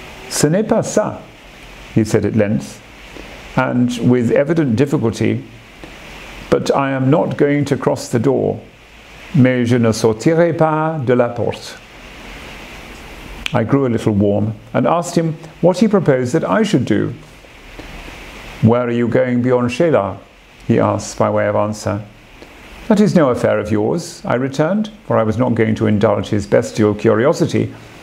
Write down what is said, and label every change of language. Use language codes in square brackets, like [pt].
[fr] "Ce n'est pas ça," [en] he said at length, and with evident difficulty, "but I am not going to cross the door. [fr] Mais je ne sortirai pas de la porte." [en] I grew a little warm and asked him what he proposed that I should do. "Where are you going beyond Chélard?" he asked by way of answer. "That is no affair of yours," I returned, for I was not going to indulge his bestial curiosity.